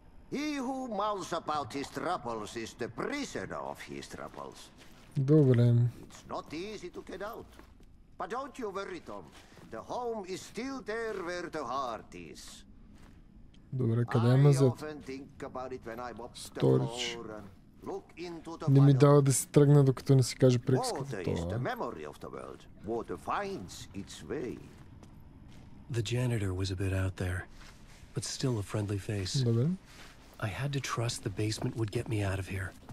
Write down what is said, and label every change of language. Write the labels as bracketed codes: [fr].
[en] He who mouths about his troubles is the prisoner of his troubles. [bg] Добре. [en] It's not easy to get out. But don't you worry, Tom. The home is still there where the heart is. [bg] Добре, къде е мазът? [en] I often think about it when I mop storage. The floor and look into the [bg] не ми дава да се тръгна, докато не си каже приказката. [en] Water is the memory of the world. Water finds its way. The janitor was a bit out there, but still a friendly face. [bg] Добре. [en] I had to trust the basement would get me out of here.